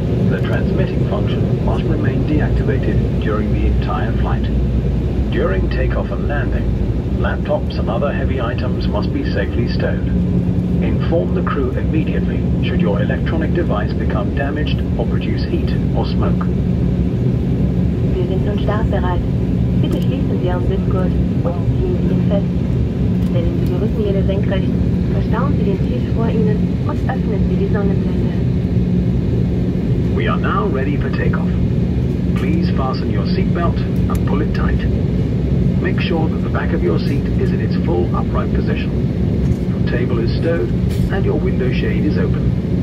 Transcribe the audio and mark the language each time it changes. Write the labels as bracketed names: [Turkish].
[English] The transmitting function must remain deactivated during the entire flight. During takeoff and landing, laptops and other heavy items must be safely stowed. Inform the crew immediately should your electronic device become damaged or produce heat or smoke. [German] Wir sind nun startbereit. Bitte schließen Sie Ihren Sitzgurt und ziehen Sie ihn fest. Stellen Sie die Rückenlehne senkrecht, verstauen Sie den Tisch vor Ihnen und öffnen Sie die Sonnenblende. [English] We are now ready for takeoff. Please fasten your seatbelt and pull it tight. Make sure that the back of your seat is in its full upright position. Table is stowed and your window shade is open.